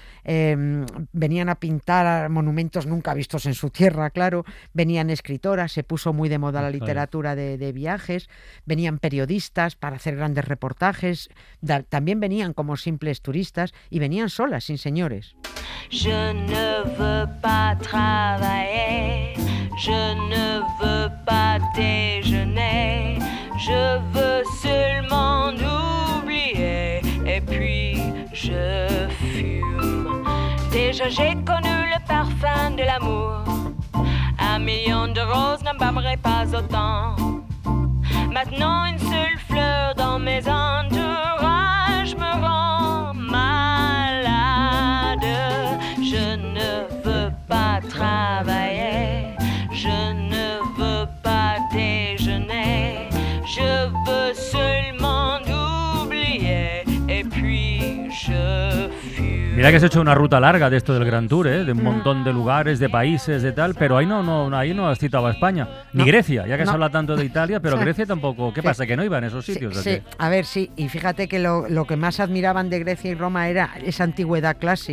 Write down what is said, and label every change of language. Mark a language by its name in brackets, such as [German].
[Spanish] Venían a pintar monumentos nunca vistos en su tierra, claro. Venían escritoras, se puso muy de moda la literatura de viajes. Venían periodistas para hacer grandes reportajes. También venían como simples turistas y venían solas, sin señores. [French] Je ne veux pas travailler, je ne veux pas déjeuner, je veux seulement oublier, et puis je fume. Déjà j'ai connu le parfum de l'amour, un million de roses n'embaumerait pas autant. Maintenant une seule fleur dans mes entourages me rend malade. Je ne veux pas travailler, je ne veux pas déjeuner, je veux seulement oublier, et puis je fume. [Spanish] Mira que has hecho una ruta larga de esto del Gran Tour, ¿eh? De un montón de lugares, de países, de tal, pero ahí no has citado a España, ni Grecia, ya que se habla tanto de Italia, pero Grecia tampoco. ¿Qué pasa, que no iban a esos sitios? Sí, a ver, sí, y fíjate que lo que más admiraban de Grecia y Roma era esa antigüedad clásica.